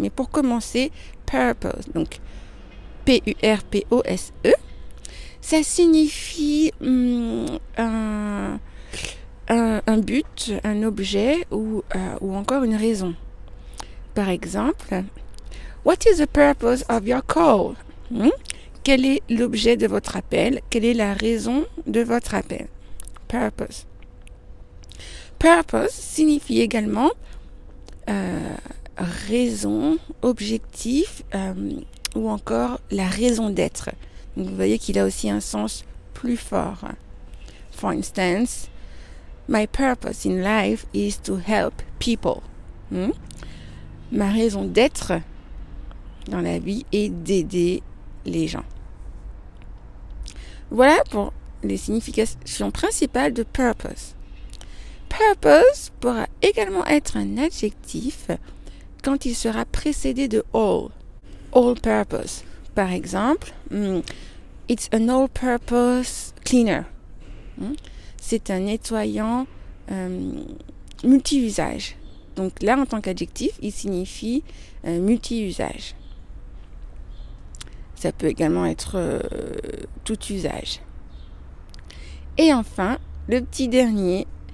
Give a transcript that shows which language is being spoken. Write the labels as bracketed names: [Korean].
[French] Mais pour commencer, purpose, donc P-U-R-P-O-S-E, ça signifie un but, un objet ou encore une raison. Par exemple, [English] what is the purpose of your call? [French] Quel est l'objet de votre appel? Quelle est la raison de votre appel? Purpose. Purpose signifie également raison, objectif ou encore la raison d'être. Donc vous voyez qu'il a aussi un sens plus fort. [English] For instance, my purpose in life is to help people. [French] Ma raison d'être dans la vie est d'aider les gens. Voilà pour les significations principales de purpose. Purpose pourra également être un adjectif quand il sera précédé de all. All purpose. Par exemple, [English] it's an all purpose cleaner. [French] C'est un nettoyant multi-usage. Donc là, en tant qu'adjectif, il signifie multi-usage. Ça peut également être tout usage. Et enfin, le petit dernier.